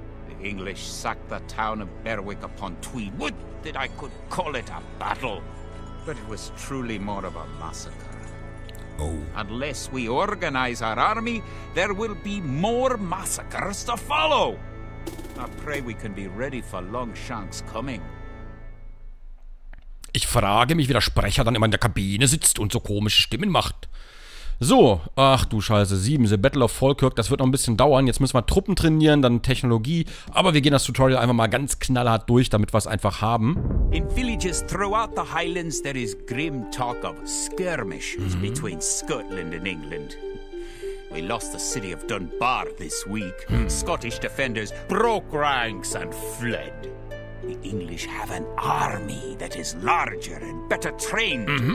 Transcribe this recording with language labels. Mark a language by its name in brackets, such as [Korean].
[English] The English sacked the town of Berwick upon Tweed. Would that I could call it a battle, but it was truly more of a massacre. Oh. Unless we organize our army, there will be more massacres to follow. I pray we can be ready for Longshanks coming. [German] Ich frage mich, wie der Sprecher dann immer in der Kabine sitzt und so komische Stimmen macht. So, ach du Scheiße, 7, The Battle of Falkirk, das wird noch ein bisschen dauern. Jetzt müssen wir Truppen trainieren, dann Technologie. Aber wir gehen das Tutorial einfach mal ganz knallhart durch, damit wir es einfach haben. [English] In villages throughout the Highlands, there is grim talk of skirmishes between Scotland and England. We lost the city of Dunbar this week. Scottish defenders broke ranks and fled. The English have an army that is larger and better trained.